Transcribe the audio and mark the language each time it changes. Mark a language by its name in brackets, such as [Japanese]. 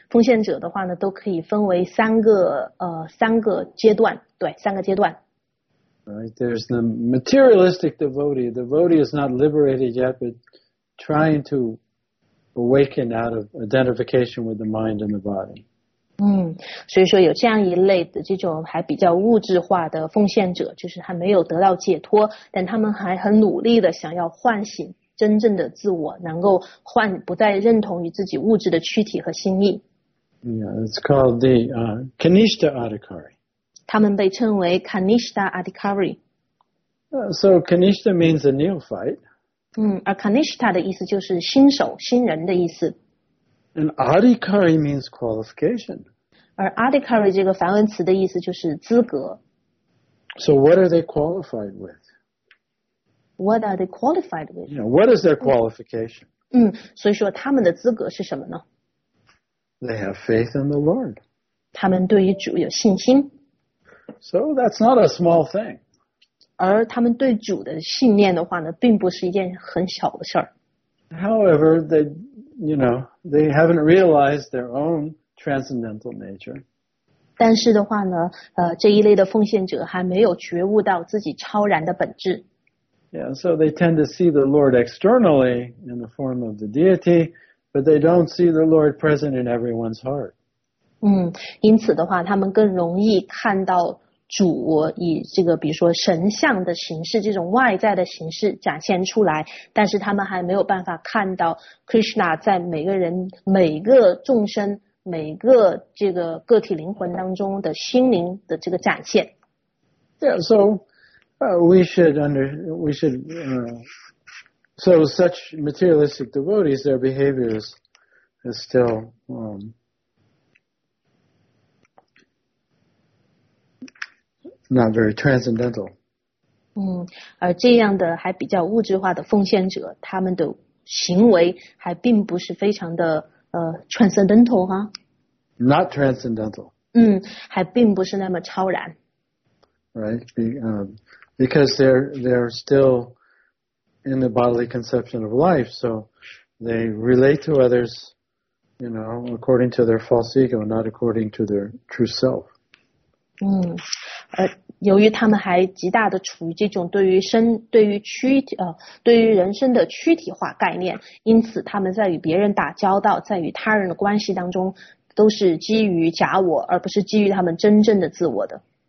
[Chinese] 奉献者的话呢，都可以分为三个阶段，对，三个阶段。 [English] Right, there's the materialistic devotee. The devotee is not liberated yet, but trying to awaken out of identification with the mind and the body. [Chinese] 所以说有这样一类的这种还比较物质化的奉献者，就是还没有得到解脱，但他们还很努力的想要唤醒真正的自我，能够换不再认同于自己物质的躯体和心意。 [English] Yeah, it's called the Kanishta Adhikari. [Chinese] 他们被称为 Kanishta Adhikari. [English] So Kanishta means a neophyte. [Chinese] 而 Kanishta 的意思就是新手、新人的意思。 [English] And Adhikari means qualification. [Chinese] 而 Adhikari 这个梵文词的意思就是资格。 [English] So what are they qualified with? What are they qualified with? You know, what is their qualification? [Chinese] 所以说他们的资格是什么呢？ [English] They have faith in the Lord. [Chinese] 他们对于主有信心。 [English] So that's not a small thing. [Chinese] 而他们对主的信念的话呢，并不是一件很小的事儿。 [English] However, they, you know, they haven't realized their own transcendental nature. [Chinese] 但是的话呢，这一类的奉献者还没有觉悟到自己超然的本质。 [English] Yeah, so they tend to see the Lord externally in the form of the deity, But they don't see the Lord present in everyone's heart. [Chinese] 因此的话，他们更容易看到主以这个，比如说神像的形式，这种外在的形式展现出来，但是他们还没有办法看到 Krishna 在每个人、每个众生、每个这个个体灵魂当中的心灵的这个展现。 [English] Yeah, so, so such materialistic devotees, their behavior is still, not very transcendental. [Chinese] 而这样的还比较物质化的奉献者，他们的行为还并不是非常的transcendental 哈。 [English] Not transcendental. [Chinese] 还并不是那么超然。 [English] Right, because they're still in the bodily conception of life, so they relate to others, you know, according to their false ego, not according to their true self. [Chinese] 由于他们还极大的处于这种对于人生的躯体化概念，因此他们在与别人打交道，在与他人的关系当中，都是基于假我，而不是基于他们真正的自我的。